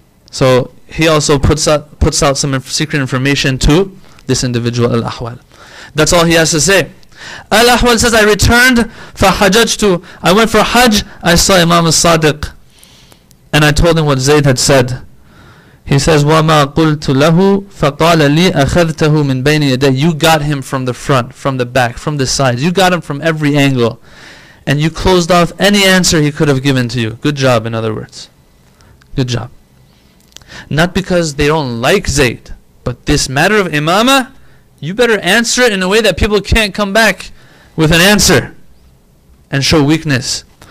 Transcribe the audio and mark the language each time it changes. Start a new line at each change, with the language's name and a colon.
English: So he also puts out some secret information to this individual, Al-Ahwal. That's all he has to say. Al-Ahwal says, I returned for hajjajtu. I went for hajj. I saw Imam al-Sadiq. And I told him what Zayd had said. He says,
Arabic: وَمَا قُلْتُ لَهُ فَقَالَ لِي أَخَذْتَهُ مِنْ بَيْنِ يَدَيْهِ.
English: You got him from the front, from the back, from the sides. You got him from every angle. And you closed off any answer he could have given to you. Good job, in other words. Good job. Not because they don't like Zayd, but this matter of imamah you better answer it in a way that people can't come back with an answer and show weakness.